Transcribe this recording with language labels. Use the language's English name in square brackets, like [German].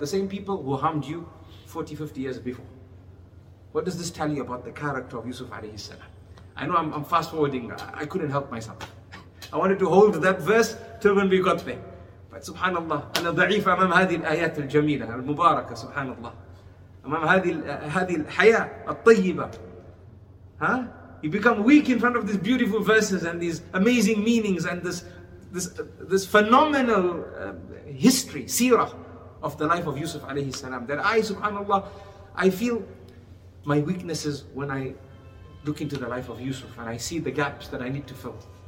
[English] The same people who harmed you 40, 50 years before. What does this tell you about the character of Yusuf alayhi salam? I know I'm fast forwarding. I couldn't help myself. I wanted to hold that verse till when we got there. But [Arabic] subhanAllah, أنا ضعيف أمام هذه الآيات الجميلة المباركة سبحانAllah. أمام هذه الحياة الطيبة. [English] You become weak in front of these beautiful verses and these amazing meanings and this phenomenal history, seerah of the life of Yusuf alayhi salam. That I, subhanAllah, I feel my weaknesses when I look into the life of Yusuf and I see the gaps that I need to fill.